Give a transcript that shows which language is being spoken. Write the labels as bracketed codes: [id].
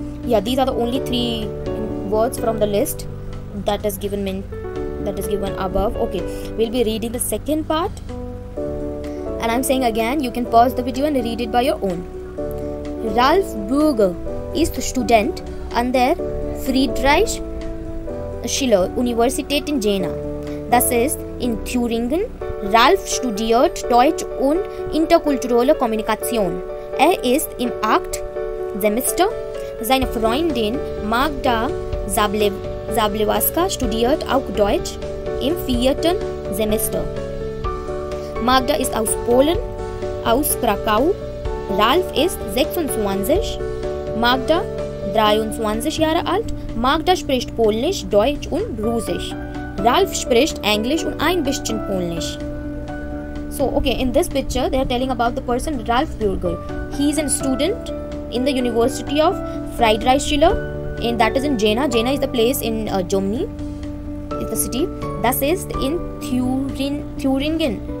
[en] Yeah, these are the only three words from the list that is given me, that is given above. Okay, we'll be reading the second part, and I'm saying again, you can pause the video and read it by your own. [de] Ralf Burger ist Student an der Friedrich Schiller Universität in Jena. Das ist in Thüringen. Ralf studiert Deutsch und interkulturelle Kommunikation. Ist im 8. Semester. Seine Freundin Magda Zablewska studiert auch Deutsch im 4. Semester. Magda ist aus Polen, aus Krakau. Ralf ist 26, Magda 23 Jahre alt. Magda spricht Polnisch, Deutsch und Russisch. Ralf spricht Englisch und ein bisschen Polnisch. [en] So, okay, in this picture, they are telling about the person Ralph Bürger. He is a student in the University of Friedrichshafen, and that is in Jena. Jena is the place in Germany, it's the city. [de] Das ist in Thuringen.